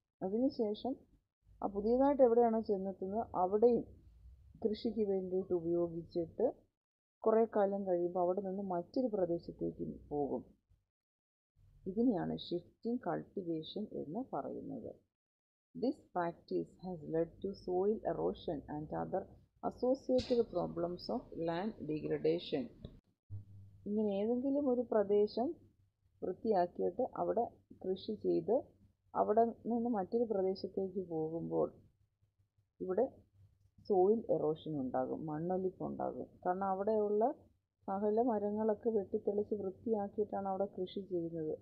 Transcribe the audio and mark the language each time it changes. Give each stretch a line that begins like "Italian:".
Malayalam: അതിനുശേഷം ആ പുതിയതായിട്ട് എവിടെയാണോ ചെന്നെത്തുന്നത് അവിടെയും കൃഷിക്ക് വേണ്ടിയിട്ട് ഉപയോഗിച്ചിട്ട് കുറേ കാലം കഴിയുമ്പോൾ അവിടെ നിന്ന് മറ്റൊരു പ്രദേശത്തേക്ക് പോകും. ഇതിനെയാണ് ഷിഫ്റ്റിംഗ് കൾട്ടിവേഷൻ എന്ന് പറയുന്നത്.
English: This practice has led to soil erosion and other associated problems of land degradation.
Malayalam: ഇങ്ങനെ ഏതെങ്കിലും ഒരു പ്രദേശം വൃത്തിയാക്കിയിട്ട് അവിടെ കൃഷി ചെയ്ത് അവിടെ നിന്ന് മറ്റൊരു പ്രദേശത്തേക്ക് പോകുമ്പോൾ ഇവിടെ സോയിൽ എറോഷൻ ഉണ്ടാകും, മണ്ണൊലിപ്പ് ഉണ്ടാകും. കാരണം അവിടെയുള്ള സകല മരങ്ങളൊക്കെ വെട്ടിത്തെളിച്ച് വൃത്തിയാക്കിയിട്ടാണ് അവിടെ കൃഷി ചെയ്യുന്നത്.